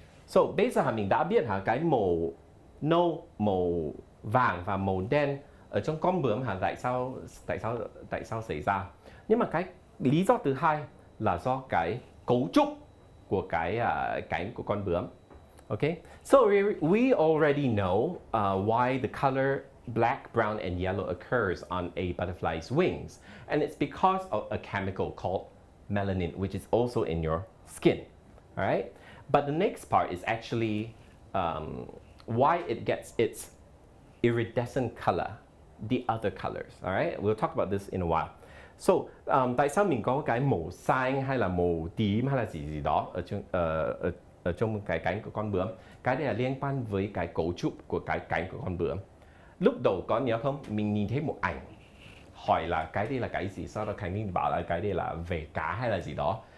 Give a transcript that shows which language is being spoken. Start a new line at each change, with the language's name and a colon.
Vietnamese: So bây giờ mình đã biết hả cái màu nâu, màu vàng và màu đen ở trong con bướm hả, tại sao xảy ra. Nhưng mà cái lý do thứ hai là do cái cấu trúc của cái cánh của con bướm.
English: Ok, so we already know why the color black, brown and yellow occurs on a butterfly's wings, and it's because of a chemical called melanin, which is also in your skin. All right, but the next part is actually why it gets its iridescent color, the other colors, all right? We'll talk about this in a while.
Vietnamese: So, tại sao mình có cái màu xanh hay là màu tím hay là gì gì đó ở trong cái cánh của con bướm? Cái này là liên quan với cái cấu trúc của cái cánh của con bướm. Lúc đầu có nhớ không? Mình nhìn thấy một ảnh hỏi là cái đây là cái gì? Sau đó Khánh Linh bảo là cái đây là vảy cá hay là gì đó?